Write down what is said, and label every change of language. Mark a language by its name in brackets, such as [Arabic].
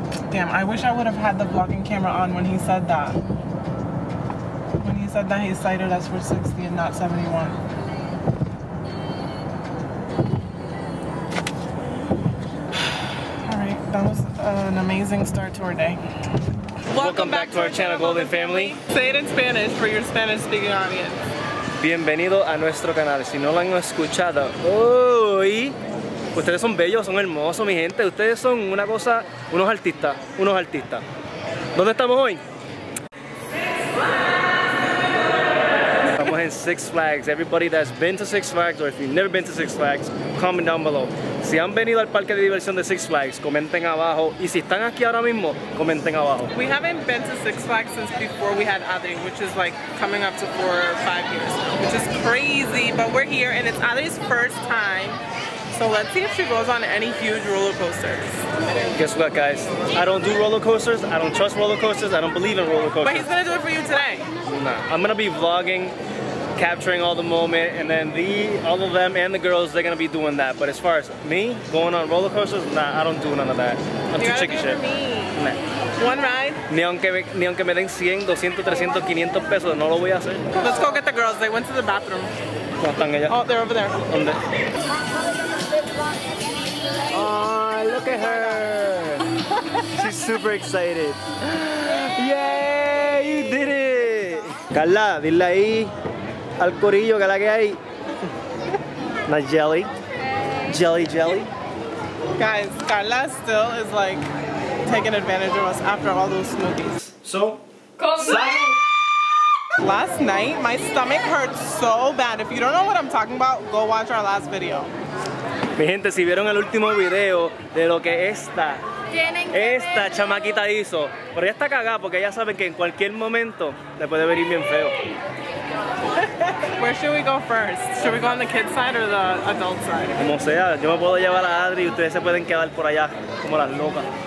[English] Damn, I wish I would have had the vlogging camera on when he said that. When he said that he cited us for 60 and not 71. That was an amazing start to our day. Welcome back to our channel, Golden Family. Say it in Spanish for your Spanish-speaking audience. [Spanish] Bienvenido a nuestro canal. Si no lo han escuchado hoy, ustedes son bellos, son hermosos, mi gente. Ustedes son una cosa, unos artistas. ¿Dónde estamos hoy? [English] In Six Flags. Everybody that's been to Six Flags, or if you've never been to Six Flags, comment down below. [Spanish] Si han venido al parque de diversión de Six Flags, comenten abajo. Y si están aquí ahora mismo, comenten abajo. [English] We haven't been to Six Flags since before we had Adri, which is like coming up to 4 or 5 years, which is crazy. But we're here, and it's Adri's first time. So let's see if she goes on any huge roller coasters. Guess what, guys? I don't do roller coasters. I don't trust roller coasters. I don't believe in roller coasters. But he's gonna do it for you today. Nah, I'm gonna be vlogging, capturing all the moment, and then all of them and the girls, they're gonna be doing that. But as far as me going on roller coasters, nah, I don't do none of that. I'm you too chicken shit. Me. Nah. One ride? [Spanish] Ni aunque me den 100, 200, 300, 500 pesos, no lo voy a hacer. [English] Let's go get the girls. They went to the bathroom. [Spanish] ¿Cómo están ellas? [English] Oh, they're over there. [Spanish] ¿Dónde? [English] Oh, look at her. She's super excited. Yay, you did it. [Spanish] Carla, dile ahí. Al corillo, que la que hay. [English] Not jelly. Jelly, jelly. Guys, Carla still is like taking advantage of us after all those smoothies. So, last night, my stomach hurt so bad. If you don't know what I'm talking about, go watch our last video. [Spanish] Mi gente, si vieron el último video de lo que esta chamaquita hizo, pero ella está cagada porque ella sabe que en cualquier momento le puede venir bien feo. [English] Where should we go first? Should we go on the kids' side or the adult side? [Spanish] Como sea, yo me puedo llevar a Adri y ustedes se pueden quedar por allá como las locas.